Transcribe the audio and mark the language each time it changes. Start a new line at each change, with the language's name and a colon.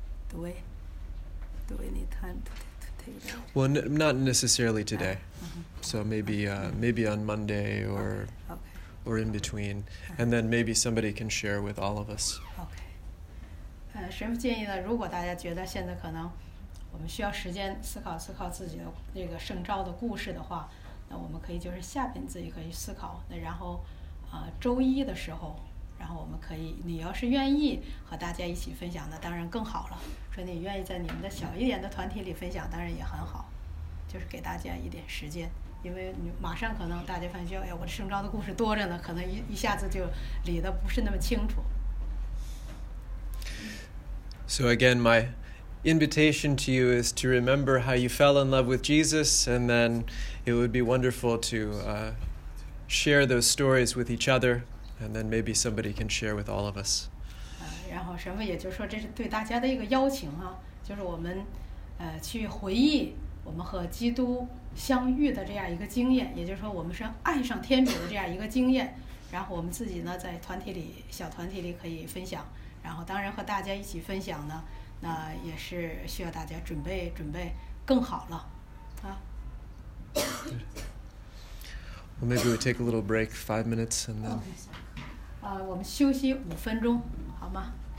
English: Do we need time to take that? Well, not necessarily today. So maybe maybe on Monday or okay. or in between, and then maybe somebody can share with all of us. Okay.
Chinese: 神父建议呢，如果大家觉得现在可能我们需要时间思考思考自己的那个圣召的故事的话，那我们可以就是下边自己可以思考。那然后周一的时候，然后我们可以，你要是愿意和大家一起分享的，当然更好了。说你愿意在你们的小一点的团体里分享，当然也很好。就是给大家一点时间，因为你马上可能大家发现，哎，我的圣召的故事多着呢，可能一下子就理得不是那么清楚。
English: So again, my invitation to you is to remember how you fell in love with Jesus, and then it would be wonderful to share those stories with each other, and then maybe somebody can share with all of us.
Chinese: 然后神父也就说，这是对大家的一个邀请啊，就是我们去回忆。我们和基督相遇的这样一个经验，也就是说我们是爱上天主的这样一个经验，然后我们自己呢在团体里小团体里可以分享，然后当然和大家一起分享呢，那也是需要大家准备准备更好了啊。
English: Well, maybe we take a little break, 5 minutes, and then
Chinese: okay. 我们休息5分钟好吗？